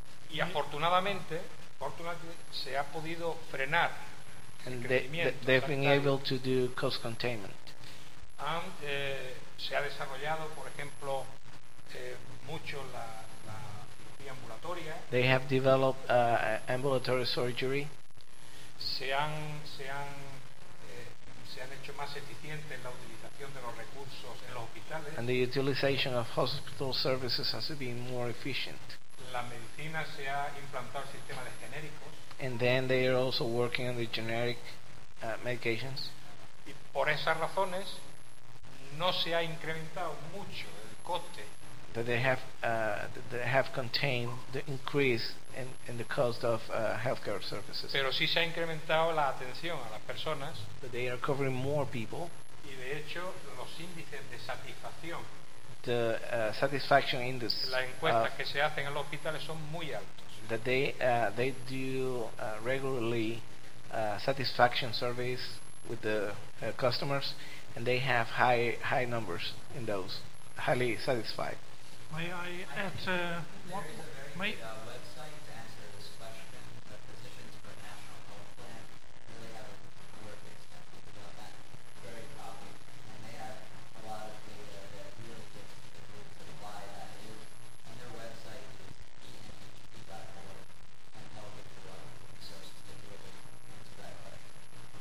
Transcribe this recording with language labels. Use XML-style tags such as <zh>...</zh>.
<es>Y afortunadamente, se ha podido frenar el crecimiento.</es> <en>And they've been able to do cost containment.</en> <es>And se ha desarrollado, por ejemplo, mucho la cirugía ambulatoria.</es> <en>They have developed ambulatory surgery.</en> <es>Se han hecho más eficientes la utilización de los recursos en los hospitales.</es> <en>And the utilization of hospital services has been more efficient.</en> <es>La medicina se ha implantado el sistema de genéricos.</es> <en>And then they are also working on the generic medications.</en> <es>Y por esas razones no se ha incrementado mucho el coste</es> <en>that they have contained the increase in the cost of healthcare services.</en> <es>Pero sí se ha incrementado la atención a las personas.</es> <en>But they are covering more people.</en> <es>Y de hecho, los índices de satisfacción.</es> <en>The satisfaction index.</en> <es>Las encuestas que se hacen en los hospitales son muy altos.</es> <en>That they do regularly satisfaction surveys with the customers, and they have high numbers in those, highly satisfied. May I add website to answer this question, the Physicians for a National Health Plan, really have a work extensive about that, very copy, and they have a lot of data that really gets to the roots of why that is, and their website is ENHP.org, and they'll give you a lot of resources to really answer that question.</en>